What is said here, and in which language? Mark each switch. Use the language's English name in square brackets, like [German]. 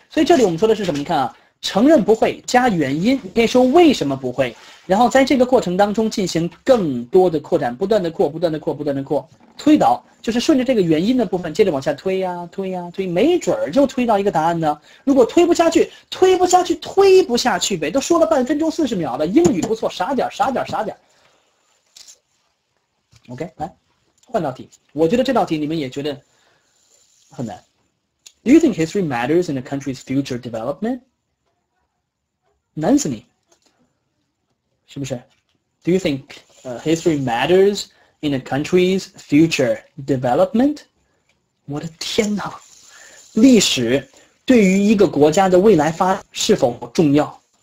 [Chinese] 所以这里我们说的是什么你看啊承认不会加原因可以说为什么不会然后在这个过程当中进行更多的扩展不断的扩不断的扩不断的扩推导就是顺着这个原因的部分接着往下推呀、啊、推呀、啊、推没准儿就推到一个答案呢如果推不下去推不下去推不下去呗都说了半分钟四十秒了英语不错傻点傻点傻点。 OK, 来。换道题，我觉得这道题你们也觉得很难。 [English] Do you think history matters in a country's future development? [Chinese] 难死你，是不是 [English] ？Do you think history matters in a country's future development? [Chinese] 我的天哪，历史对于一个国家的未来发是否重要？